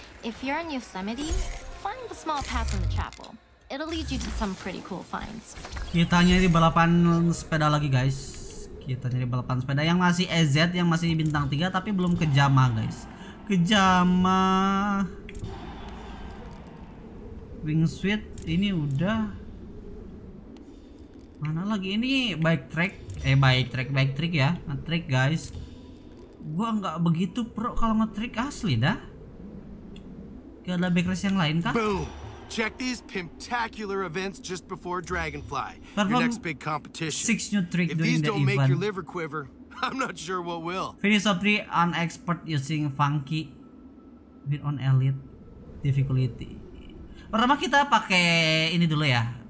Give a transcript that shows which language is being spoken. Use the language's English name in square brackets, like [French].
[English] If you're in Yosemite, find the small path in the chapel. It'll lead you to some pretty cool finds. [Indonesian] Kita nyari balapan sepeda lagi guys. Kita nyari balapan sepeda yang masih EZ, yang masih bintang 3 tapi belum ke Jama guys. Ke Jama. Wingsuit ini udah. Mana lagi ini bike trick ya. Ngetrick guys. Gua nggak begitu pro kalau ngetrick asli dah. Gak ada bike race yang lain kah? Boom. [English] Check these pimptacular events just before Dragonfly. Your next big competition. 6 new tricks during the event. If these don't make your liver quiver, I'm not sure what will. Finish up 3 on expert using funky with on elite difficulty. [Indonesian] Pertama kita pakai ini dulu ya.